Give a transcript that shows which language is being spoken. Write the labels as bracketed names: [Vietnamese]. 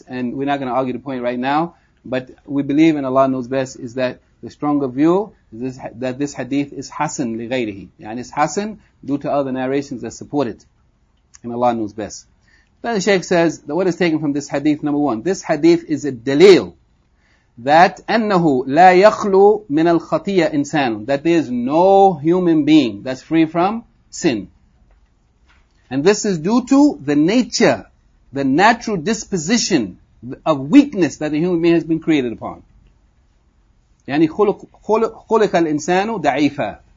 [English] And we're not going to argue the point right now. But we believe, and Allah knows best, is that the stronger view is this, that this hadith is hasan li ghayrihi. And it's hasan due to other narrations that support it. And Allah knows best. Then the Shaykh says that what is taken from this hadith, number one, this hadith is a dalil. That [Arabic] أنه لا يخلو من الخطية إنسان. [English] That there is no human being that's free from sin. And this is due to the nature, the natural disposition of weakness that a human being has been created upon. [Arabic] يعني خلق الإنسان ضعيفا.